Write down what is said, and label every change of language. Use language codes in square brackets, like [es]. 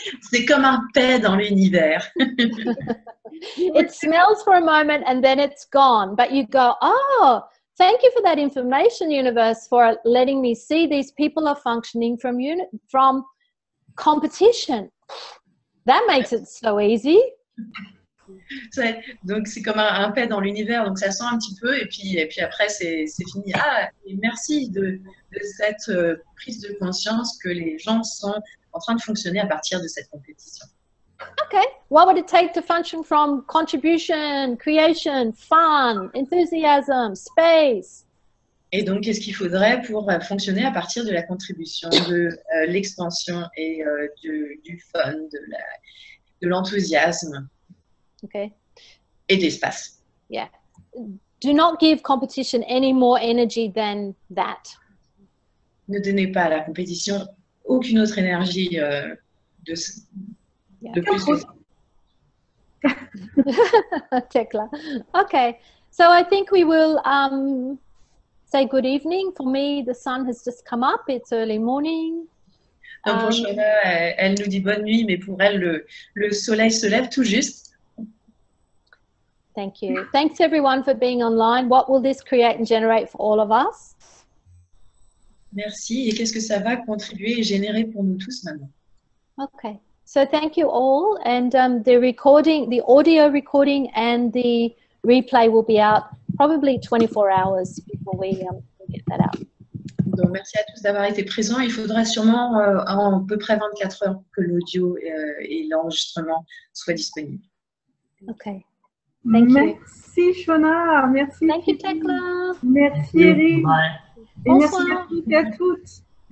[fr] C'est comme un pet dans l'univers. [en] It smells for a moment and then it's gone. But you go, oh, thank you for that information, universe, for letting me see these people are functioning from competition. That makes it so easy. [fr] Donc c'est comme un pet dans l'univers, donc ça sent un petit peu et puis après c'est fini. Ah, et merci de cette prise de conscience que les gens sont en train de fonctionner à partir de cette compétition. [en] Ok, what would it take to function from contribution, creation, fun, enthusiasm, space? [fr] Et donc qu'est-ce qu'il faudrait pour fonctionner à partir de la contribution, de l'expansion et du fun, de l'enthousiasme? [en] Okay. [fr] Et d'espace. [en] Yeah. Do not give competition any more energy than that. [fr] Ne donnez pas à la compétition aucune autre énergie de plus. [en] Tecla. Okay. So I think we will say good evening. For me, the sun has just come up. It's early morning. [fr] Donc pour Shauna, elle nous dit bonne nuit, mais pour elle, le soleil se lève tout juste. [en] Thank you. Thanks everyone for being online. What will this create and generate for all of us? [fr] Merci. Et qu'est-ce que ça va contribuer et générer pour nous tous maintenant? [en] Okay. So thank you all. And the recording, the audio recording and the replay will be out probably 24 hours before we get that out. [fr] Donc merci à tous d'avoir été présents. Il faudra sûrement en à peu près 24 heures que l'audio et l'enregistrement soient disponibles. [en] Okay. Thank you. [fr] Merci Shauna, merci. [en] Thank you, Tecla. [fr] Merci Eric. Et merci à toutes et à toutes.